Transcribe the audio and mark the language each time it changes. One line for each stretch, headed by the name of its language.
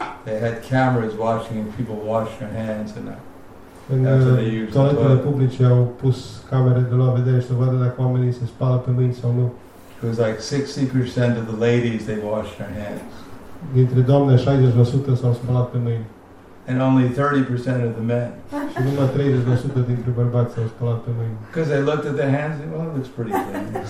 English: They had cameras watching and people wash their hands and that.
Romanian: În toaletele publice au pus camere de la vedere să vadă dacă oamenii se spală pe mâini sau nu.
English: It was like 60% of the ladies, they washed their hands.
Romanian: Dintre doamne, 60% s-au spălat pe mâini.
English: And only 30% of the men.
Romanian: Și numai 30% dintre bărbați s-au spălat pe mâini.
English: Because they looked at their hands and well, it looks pretty clean.